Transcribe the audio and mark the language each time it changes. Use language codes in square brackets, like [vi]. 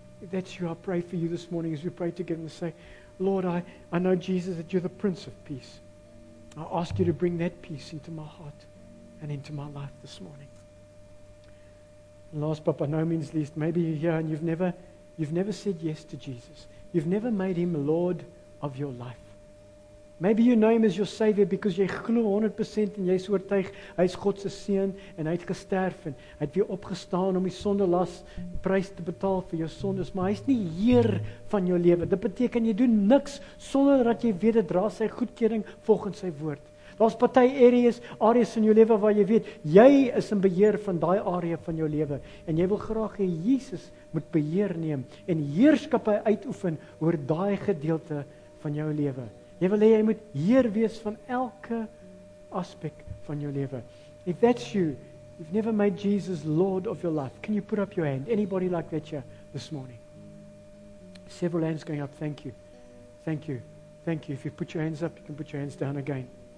[en] That's you. I pray for you this morning as we pray together and say, Lord, I know, Jesus, that you're the Prince of Peace. I ask you to bring that peace into my heart and into my life this morning. And last but by no means least, maybe you're here and you've never said yes to Jesus. You've never made him Lord of your life. Maybe you know him as your Savior because [af] jy glo 100% en jy is oortuig, hy is God se seun en hy het gesterf en hy het weer opgestaan om die sondelas prys te betaal vir jou sondes, maar hy is nie heer van jou lewe. Dit beteken jy doen niks sonder dat jy weet dit dra sy goedkeuring volgens sy woord. Daar's party areas in jou lewe waar jy weet jy is in beheer van daai area van jou lewe en jy wil graag hê Jesus moet beheer neem en heerskappe uitoefen oor daai gedeelte van jou lewe. Jy wil hê jy moet heer wees van elke aspek van jou lewe. [en] If that's you, you've never made Jesus Lord of your life, can you put up your hand? Anybody like that here this morning? Several hands going up. Thank you. Thank you. Thank you. If you put your hands up, you can put your hands down again.